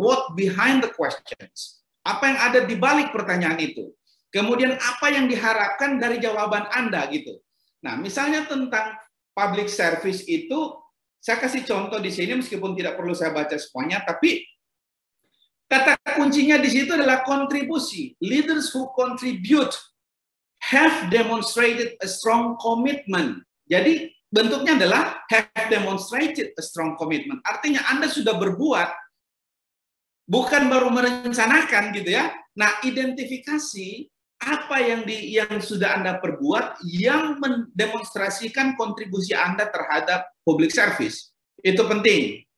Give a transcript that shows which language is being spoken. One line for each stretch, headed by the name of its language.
English: What behind the questions?
Indonesian: Apa yang ada di balik pertanyaan itu? Kemudian apa yang diharapkan dari jawaban Anda gitu. Nah, misalnya tentang public service itu, saya kasih contoh di sini meskipun tidak perlu saya baca semuanya, tapi kata kuncinya di situ adalah kontribusi.
English: Leaders who contribute have demonstrated a strong commitment.
Indonesian: Jadi bentuknya adalah
English: have demonstrated a strong commitment.
Indonesian: Artinya Anda sudah berbuat, bukan baru merencanakan gitu ya. Nah, identifikasi apa yang sudah Anda perbuat yang mendemonstrasikan kontribusi Anda terhadap public service. Itu penting.